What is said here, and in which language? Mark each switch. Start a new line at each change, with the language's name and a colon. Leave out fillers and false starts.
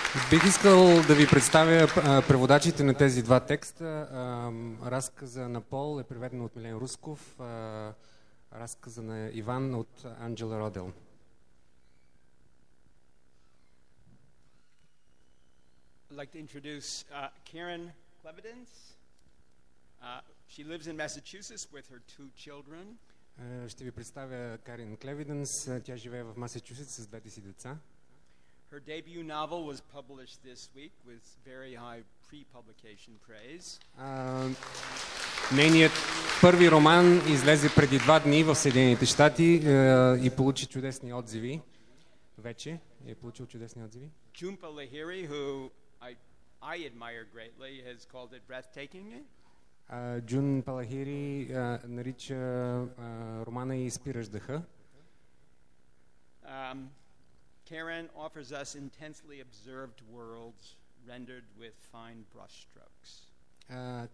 Bulgarian: Бих искал да ви представя преводачите на тези два текста. Разказа на Пол е преведен от Милен Русков, разказа на Иван от Анджела Родел.
English: I'd like to introduce Karen Clevidence. She lives in Massachusetts with her 2 children.
Bulgarian: Ще ви представя Карин Клевиденс. Тя живее в Масачусетс с двете си деца.
English: Her debut novel was published this week with very high pre-publication praise.
Bulgarian: Нейният първи роман излезе преди 2 дни в Съединените щати и получи чудесни отзиви. Вече е получил чудесни отзиви.
English: Jhumpa Lahiri, who I admire greatly, has called it breathtaking.
Bulgarian: Джун Палахири нарича романа и спираш дъха.
English: Karen offers us intensely observed worlds rendered with fine brushstrokes.